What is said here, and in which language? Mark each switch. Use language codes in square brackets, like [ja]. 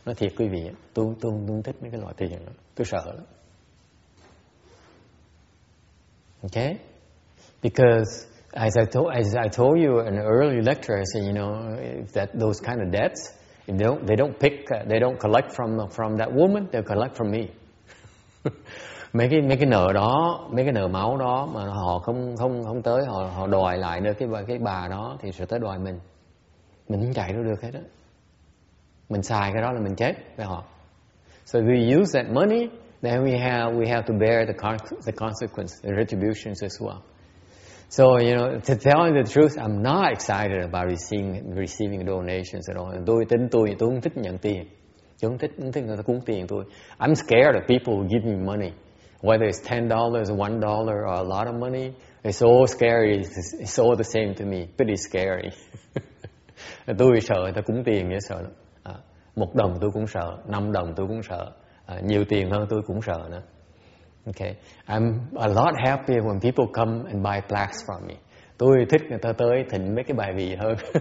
[vi] Nói thiệt quý vị, tôi không thích mấy cái loại tiền đó, tôi sợ lắm. [en] Okay, because as I told you in an early lecture, I said, you know, that those kind of debts, they don't collect from that woman, they collect from me. [vi] mấy cái nợ đó, mấy cái nợ máu đó mà họ không tới, họ đòi lại nữa cái bà đó thì sẽ tới đòi mình. Mình không chạy đâu được hết á. Mình xài cái đó là mình chết với họ. [en] So we use that money, then we have to bear the consequence, the retributions as well. So, you know, to tell you the truth, I'm not excited about receiving donations at all. [vi] Tôi không thích nhận tiền. Tôi không thích người ta cúng tiền tôi. [en] I'm scared of people who give me money. Whether it's $10, $1, or a lot of money, it's all scary. It's all the same to me. Pretty scary. [vi] Tôi sợ người ta cúng tiền, nghĩa sợ lắm. Một đồng tôi cũng sợ, năm đồng tôi cũng sợ. Nhiều tiền hơn tôi cũng sợ nữa. [en] Okay, I'm a lot happier when people come and buy plaques from me. [vi] Tôi thích người ta tới thỉnh mấy cái bài vị hơn.